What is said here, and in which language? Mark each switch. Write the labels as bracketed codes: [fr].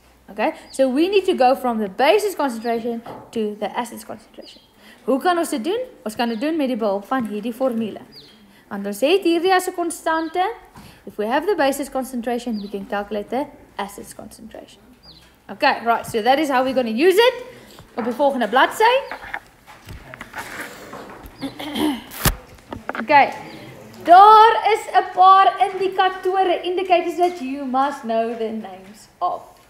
[en] Okay, so we need to go from the basis concentration to the acid's concentration. [af] Hoe kan ons dit doen? Ons kan dit doen met die behulp van hierdie formule. Want ons het hierdie as 'n konstante. [en] If we have the basis concentration, we can calculate the acid's concentration. Okay, right, so that is how we're going to use it. [af] Op die volgende bladsy. [en] Okay. [af] Daar is 'n paar [en] indicators that you must know the names of.